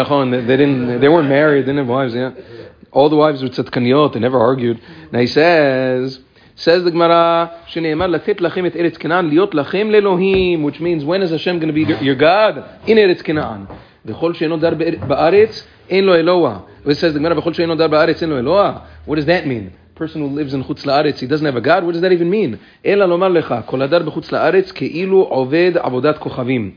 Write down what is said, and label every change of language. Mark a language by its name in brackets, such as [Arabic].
[English] They didn't have to do a shalom bayit. Yeah, nachon. They weren't married. They didn't have wives. Yeah. All the wives were tzatkaniot, they never argued. Now he says the Gemara, [Hebrew] שנאמר לתת לכם את ארץ כנען, להיות לכם לאלוהים, [English] which means, when is Hashem going to be your God? In ארץ כנען. [Hebrew] וכל שאינו דר בארץ, אין לו אלוה. [English] It says the Gemara, [Hebrew] וכל שאינו דר בארץ, אין לו אלוה. [English] What does that mean? Person who lives in חוץ לארץ, he doesn't have a God? What does that even mean? [Hebrew] אלא לומר לך, כל הדר בחוץ לארץ, כאילו עובד עבודת כוכבים.